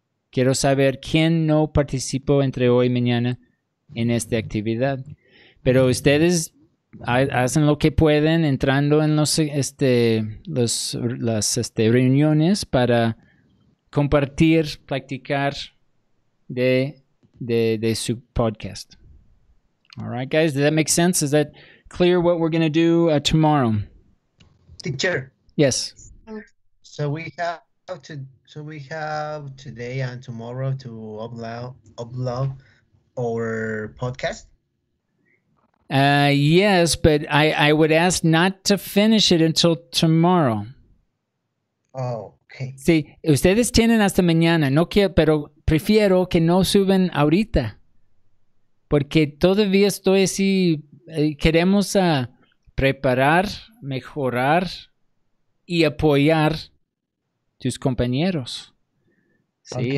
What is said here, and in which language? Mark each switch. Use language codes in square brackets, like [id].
[es] Quiero saber quién no participó entre hoy y mañana en esta actividad. Pero ustedes hacen lo que pueden entrando en las reuniones para compartir, practicar de su podcast. [en] All right, guys, does that make sense? Is that clear what we're going to do tomorrow? Teacher. Yes. So we have today and tomorrow to upload our podcast? Yes, but I would ask not to finish it until tomorrow. Oh, okay. [es] Sí, ustedes tienen hasta mañana, no quiero, pero prefiero que no suben ahorita. Porque todavía estoy así, queremos preparar, mejorar y apoyar tus compañeros. Sí, okay.